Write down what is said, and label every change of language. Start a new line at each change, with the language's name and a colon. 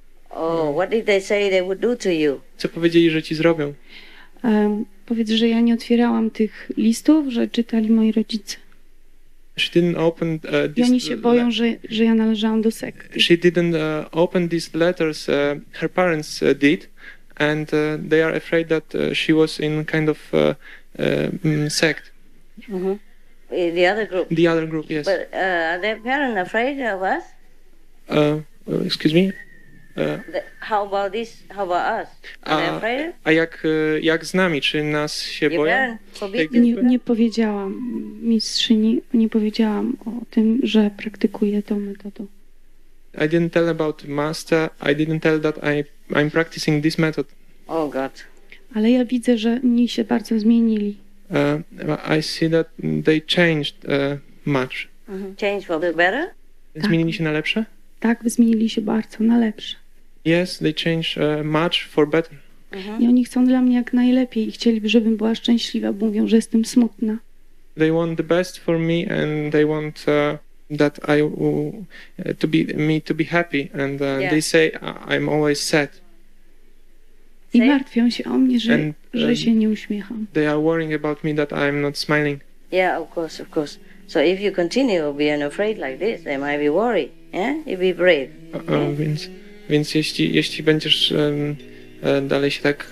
English: Oh, what did they say they would do to you?
Polish: Co powiedzieli, że ci zrobią? Powiedz, że ja nie otwierałam tych listów, że czytali moi rodzice.
English: She didn't open this.
Polish: Oni się boją, że ja należałam do sekty.
English: She didn't open these letters her parents did, and they are afraid that she was in kind of sect. The other group. The other group, yes. But are their parents afraid of us? Excuse me. How about us? Are they afraid?
Polish: A jak z nami? Czy nas się
English: your
Polish: boją? Nie powiedziałam mistrzyni, nie powiedziałam o tym, że praktykuję tą metodą.
English: I didn't tell about master, I didn't tell that I'm practicing this method. Oh God.
Polish: Ale ja widzę, że oni się bardzo zmienili.
English: I see that they changed much. Changed for the better?
Polish: Zmienili się na lepsze? Tak, zmienili się bardzo na lepsze.
English: Yes, they changed much for better.
Polish: I oni chcą dla mnie jak najlepiej i chcieliby, żebym była szczęśliwa, bo mówią, że jestem smutna.
English: They want the best for me and they want that I to be me to be happy and yeah. They say I'm always sad.
Polish: I martwią się o mnie, że się nie uśmiecham.
English: They are worrying about me that I'm not smiling. Yeah, of course. So if you continue being afraid like this, they might be worried. Yeah, you'd be brave. Yeah?
Polish: Więc jeśli będziesz dalej się tak